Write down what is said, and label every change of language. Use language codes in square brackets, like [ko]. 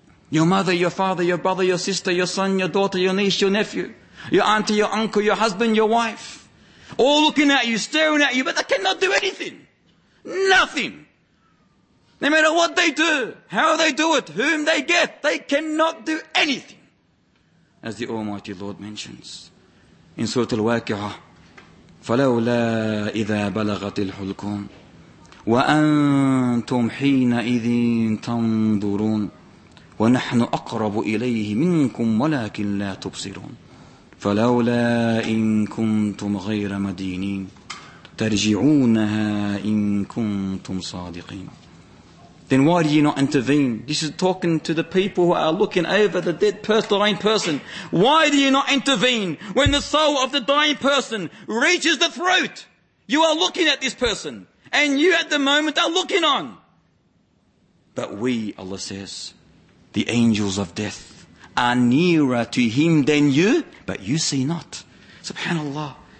[en] Your mother, your father, your brother, your sister, your son, your daughter, your niece, your nephew, your auntie, your uncle, your husband, your wife. All looking at you, staring at you, but they cannot do anything. Nothing. No matter what they do, how they do it, whom they get, they cannot do anything. As the Almighty Lord mentions in Surah Al-Waqi'ah, [ar] فَلَوْلَا إِذَا بَلَغَتِ الْحُلْكُمْ وَأَنْتُمْ حِينَئِذٍ تَنْظُرُونَ وَنَحْنُ أَقْرَبُ إِلَيْهِ مِنْكُمْ وَلَكِنْ لَا تُبْصِرُونَ فَلَوْلَا إِن كُنْتُمْ غَيْرَ مَدِينِينَ تَرْجِعُونَهَا إِن كُنْتُمْ صَادِقِينَ. [en] Then why do you not intervene? This is talking to the people who are looking over the dead person, the dying person. Why do you not intervene when the soul of the dying person reaches the throat? You are looking at this person and you at the moment are looking on. But we, Allah says, the angels of death are nearer to him than you, but you see not. SubhanAllah.